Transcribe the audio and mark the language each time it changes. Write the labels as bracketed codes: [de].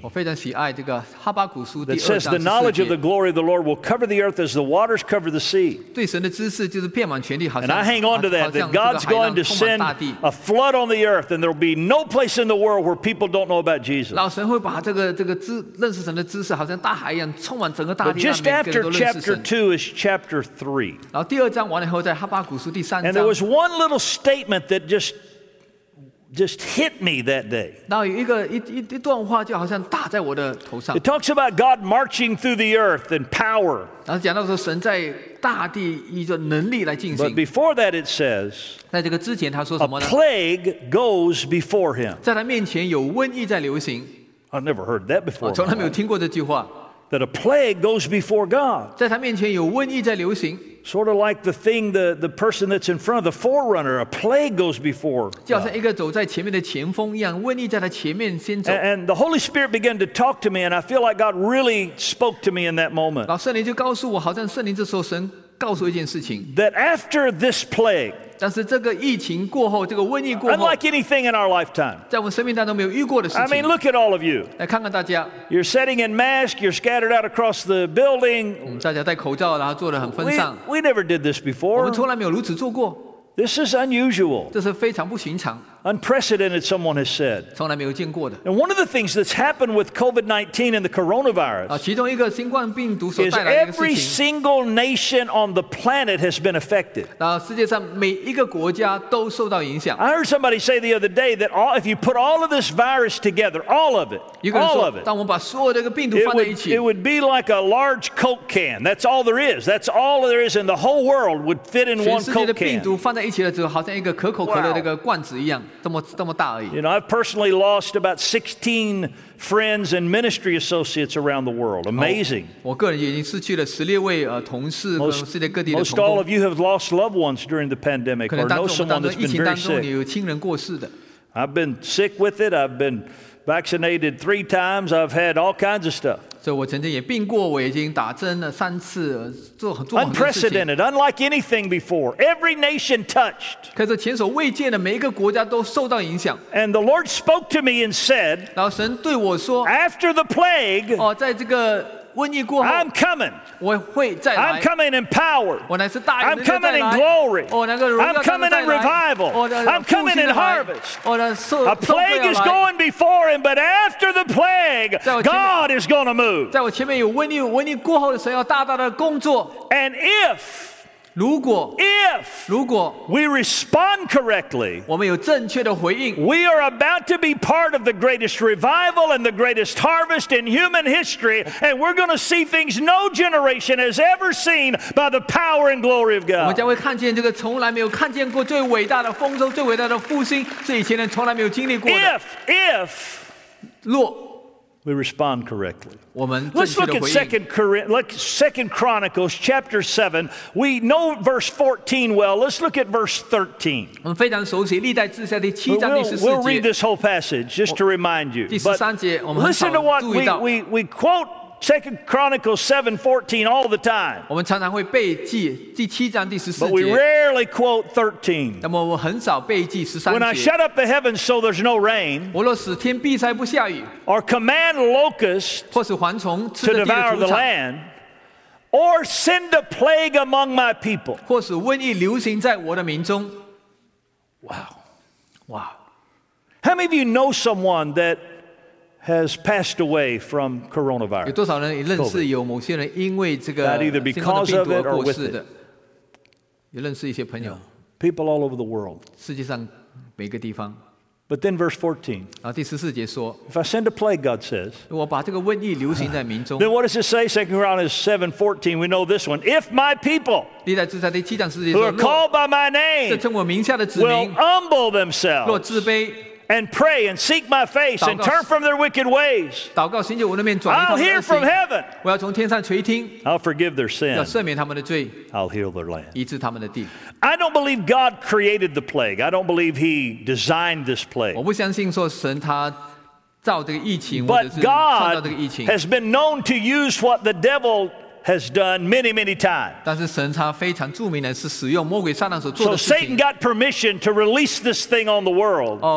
[zh] 我非常喜爱这个哈巴谷书第二章十四节。 [en] That says the knowledge of the glory of the Lord will cover the earth as the waters cover the sea. [zh] 对神的知识就是遍满全地，好像。 [en] And I hang on to that God's going to send a flood on the earth, and there will be no place in the world where people don't know about Jesus. [zh] 老神会把这个认识神的知识，好像大海一样，充满整个大地。 [en] But just after chapter 2 is chapter 3. [zh] 然后第二章完了以后，在哈巴谷书第三章。 [en] And there was one little statement that just hit me that day. It talks about God marching through the earth in power. But before that it says, a plague goes before him. I've never heard that before. That a plague goes before God. Sort of like the thing, the person that's in front of the forerunner, a plague goes before. [zh] 就好像一个走在前面的前锋一样，瘟疫在他前面先走。 [en] And the Holy Spirit began to talk to me, and I feel like God really spoke to me in that moment. [zh] 圣灵就告诉我，好像圣灵这时候神告诉我一件事情。 [en] That after this plague, [zh] 但是这个疫情过后，这个瘟疫过后， [en] unlike anything in our lifetime， [zh] 在我们生命当中没有遇过的事情。 [en] I mean, look at all of you. [zh] 来看看大家。 [en] You're sitting in masks. You're scattered out across the building. [zh] 我们大家戴口罩，然后坐得很分散。 [en] We never did this before. [zh] 我们从来没有如此做过。 [en] This is unusual. [zh] 这是非常不寻常。 [en] Unprecedented, someone has said. [zh] 从来没有见过的。 [en] And one of the things that's happened with COVID-19 and the coronavirus, [zh] 其中一个新冠病毒所带来的事情， [en] is every single nation on the planet has been affected. [zh] 世界上每一个国家都受到影响。 [en] I heard somebody say the other day that if you put all of this virus together, all of it, all of it, [zh] 当我们把所有这个病毒放在一起， [en] it would be like a large Coke can. That's all there is. That's all there is in the whole world would fit in one Coke can. [zh] 全世界的病毒放在一起了之后，好像一个可口可乐的一个罐子一样。 [en] You know, I've personally lost about 16 friends and ministry associates around the world. Amazing. [zh] 我个人已经失去了16位同事和世界各地的同工。 [en] Most all of you have lost loved ones during the pandemic, or know someone that's been very sick. [zh] 你有亲人过世的。 [en] I've been sick with it. I've been vaccinated 3 times. I've had all kinds of stuff. [zh] 所以我曾经也病过，我已经打针了三次，做很多事情。 [en] Unprecedented, unlike anything before. Every nation touched. [zh] 可是前所未见的，每一个国家都受到影响。 [en] And the Lord spoke to me and said, [zh] 然后神对我说， [en] After the plague, [zh] 在这个瘟疫过后， [en] I'm coming. [zh] 我会再来。 [en] I'm coming in power. [zh] 我乃是大有能力的。 [en] I'm coming in glory. [zh] 那个荣耀。 [en] I'm coming in revival. I'm coming in harvest. 那个、 A plague is going before him, but after the plague, God is going to move. [zh] 在我前面有瘟疫，瘟疫过后的神要大大的工作。 [en] And if, [zh] 如果 [en] if, [zh] 如果 [en] we respond correctly, [zh] 我们有正确的回应， [en] we are about to be part of the greatest revival and the greatest harvest in human history, and we're going to see things no generation has ever seen by the power and glory of God. [zh] 我们将会看见这个从来没有看见过最伟大的丰收，最伟大的复兴，是以前人从来没有经历过的。 [en] If, [zh] 若 [en] we respond correctly. Let's look at 2 Chronicles chapter 7. We know verse 14 well. Let's look at verse 13. [zh] 我们非常熟悉历代志下第七章第十四节。 [en] We'll read this whole passage just to remind you. [zh] 第十三节，我们很少注意到。 [en] Listen to what we quote 2 Chronicles 7, 14 all the time. [zh] 我们常常会背记第七章第十四节。 [en] But we rarely quote 13. [zh] 那么我很少背记十三节。 [en] When I shut up the heavens so there's no rain. [zh] 我若使天闭塞不下雨。 [en] Or command locusts. To devour the land, or send a plague among my people, [zh] 或是瘟疫流行在我的民中。 [en] Wow, wow! How many of you know someone that has passed away from coronavirus? [zh] 有多少人你认识有某些人因为这个 [en] that either because of it or with it? [zh] 有认识一些朋友 [en] people all over the world, [zh] 世界上每个地方。 [en] But then verse 14. [zh] 第十四节说， [en] If I send a plague, God says, [zh] 我把这个瘟疫流行在民中。 [en] Then what does it say? 2 Chronicles 7, 14. We know this one. If my people, [zh] 历代志下第七章十四节说， [en] who are called by my name, [zh] 这称我名下的子民， [en] will humble themselves, [zh] 若自卑， [en] and pray and seek my face, and turn from their wicked ways, [zh] 祷告寻求我的面，转移他们的恶行， [en] I'll hear from heaven, [zh] 我要从天上垂听， [en] I'll forgive their sin, [zh] 要赦免他们的罪， [en] I'll heal their land, [zh] 医治他们的地。 [en] I don't believe God created the plague. I don't believe He designed this plague. [zh] 我不相信说神他造这个疫情，或者是创造这个疫情。 [en] But God has been known to use what the devil has done many, many times. [zh] 但是神他非常著名的是使用魔鬼撒旦所做的事情。 [en] So Satan got permission to release this thing on the world.